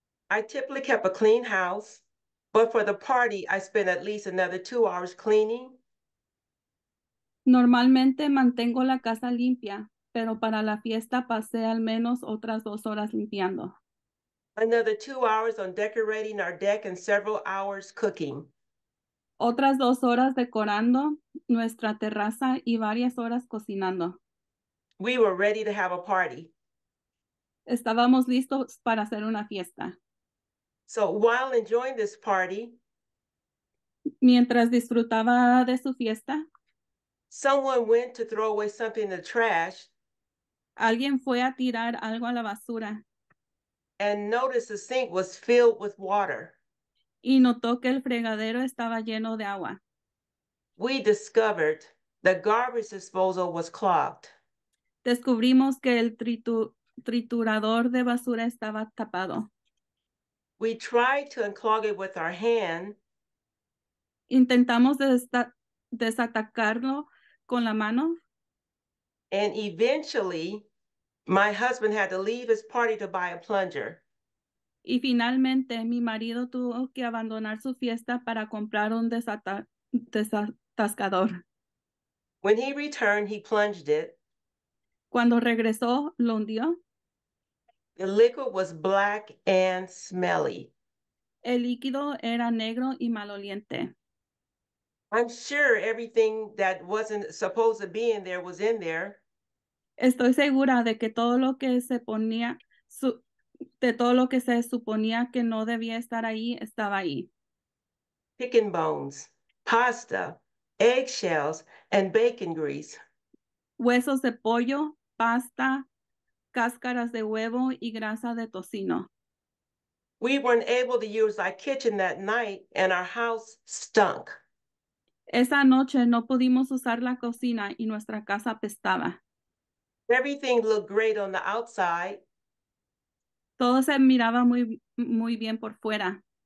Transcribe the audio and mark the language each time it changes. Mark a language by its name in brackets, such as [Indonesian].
[English] I typically kept a clean house, but for the party, I spent at least another 2 hours cleaning. [Spanish] Normalmente mantengo la casa limpia, pero para la fiesta pasé al menos otras 2 horas limpiando. [English] Another 2 hours on decorating our deck and several hours cooking. [Spanish] Otras 2 horas decorando nuestra terraza y varias horas cocinando. [English] We were ready to have a party. [Spanish] Estábamos listos para hacer una fiesta. [English] So while enjoying this party, [Spanish] mientras disfrutaba de su fiesta, [English] someone went to throw away something in the trash. [Spanish] Alguien fue a tirar algo a la basura. [English] And noticed the sink was filled with water. [Spanish] Y notó que el fregadero estaba lleno de agua. [English] We discovered the garbage disposal was clogged. [Spanish] Descubrimos que el triturador de basura estaba tapado. [English] We tried to unclog it with our hand. [Spanish] Intentamos desatacarlo con la mano. [English] And eventually, my husband had to leave his party to buy a plunger. [Spanish] Y finalmente, mi marido tuvo que abandonar su fiesta para comprar un desatascador. [English] When he returned, he plunged it. [Spanish] Cuando regresó, lo hundió. [English] The liquid was black and smelly. [Spanish] El líquido era negro y maloliente. [English] I'm sure everything that wasn't supposed to be in there was in there. [Spanish] Estoy segura de que todo lo que se ponía, de todo lo que se suponía que no debía estar ahí, estaba ahí. [English] Chicken bones, pasta, eggshells, and bacon grease. [Spanish] Huesos de pollo, pasta, cáscaras de huevo y grasa de tocino. [English] We weren't able to use our kitchen that night, and our house stunk. [Spanish] Esa noche no pudimos usar la cocina y nuestra casa apestaba. [English] Everything looked great on the outside. [Spanish] Todo se miraba muy, muy bien por fuera.